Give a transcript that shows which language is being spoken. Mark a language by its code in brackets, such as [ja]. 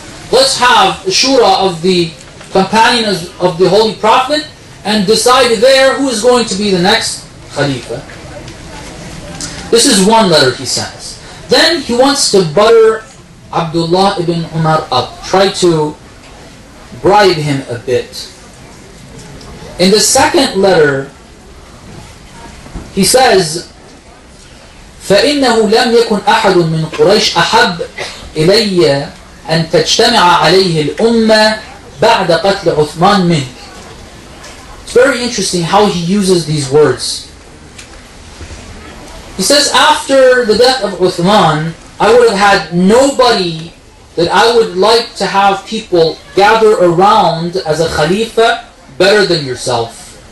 [en] Let's have the Shura of the companions of the Holy Prophet and decide there who is going to be the next Khalifa. This is one letter he sends. Then he wants to butter Abdullah ibn Umar up, try to bribe him a bit. In the second letter, he says, [ar] فَإِنَّهُ لَمْ يَكُنْ أَحَدٌ مِّن قُرَيْشٍ أَحَبْ إِلَيَّ أَن تَجْتَمِعَ عَلَيْهِ الْأُمَّةِ بَعْدَ قَتْلِ عُثْمَانٍ مِّنْ. [en] It's very interesting how he uses these words. He says, after the death of Uthman, I would have had nobody that I would like to have people gather around as a Khalifa better than yourself.